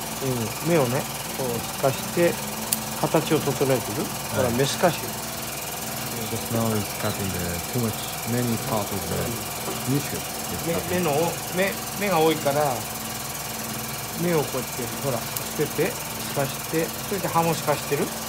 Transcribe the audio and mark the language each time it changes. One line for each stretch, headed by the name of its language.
Japanese: うん、目をね、こう透かして形を整えてる。だから目透かし。
English: Just now is cutting the too much many part of the muscle.
Japanese: 目が多いから目をこうやってほら捨てて透かしてそれで歯も透かしてる。